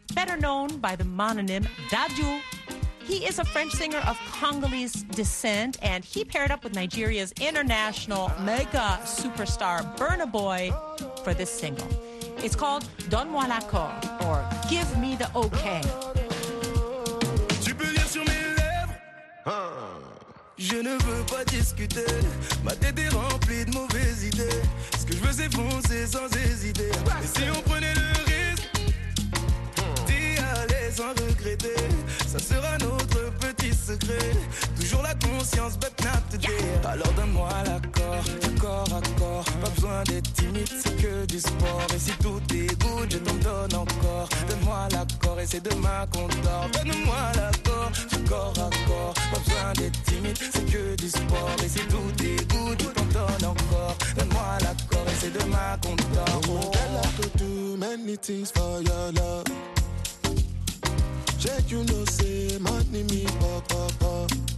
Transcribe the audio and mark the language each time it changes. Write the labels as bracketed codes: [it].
[en] better known by the mononym Dadju. He is a French singer of Congolese descent, and he paired up with Nigeria's international mega superstar Burna Boy for this single. It's called Donne-moi l'accord, or Give Me the Okay. [fr] Tu peux lire sur mes lèvres. Je ne veux pas discuter. Ma tête est remplie de mauvaises idées. Ce que je veux, c'est foncer sans hésiter. Et si on prenait le risque d'y aller sans regretter, ça sera notre petit secret. Toujours la conscience, [en] but not today. [fr] Alors donne-moi l'accord, corps à corps. Pas besoin d'être timide, c'est que du sport. Et si tout dégoûte, je t'en donne encore. Donne-moi l'accord et c'est demain qu'on dort. Donne-moi l'accord, corps à corps. Pas besoin d'être timide, c'est que du sport. Et si tout dégoûte, je t'en donne encore. Donne-moi l'accord et c'est demain qu'on dort. [en] Oh, oh, girl, I could do many things for your love. Check, you know, say, money me, pop, pop, pop.